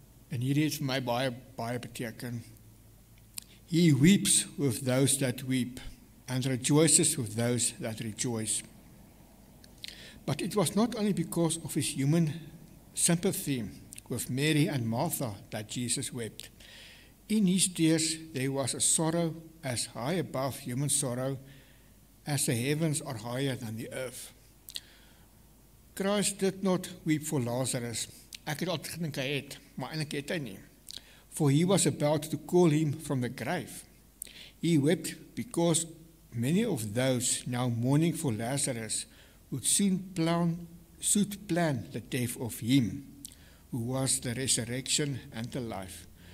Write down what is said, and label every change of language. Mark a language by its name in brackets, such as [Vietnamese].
[Afrikaans] En hierdie het vir my baie beteken. [English] He weeps with those that weep, and rejoices with those that rejoice. But it was not only because of his human sympathy with Mary and Martha that Jesus wept. In his tears there was a sorrow as high above human sorrow as the heavens are higher than the earth. Christ did not weep for Lazarus. [Afrikaans] Ek het altyd gedink hy het, maar eintlik het hy nie. [English] For he was about to call him from the grave. He wept because many of those now mourning for Lazarus would soon plan the death of him who was the resurrection and the life.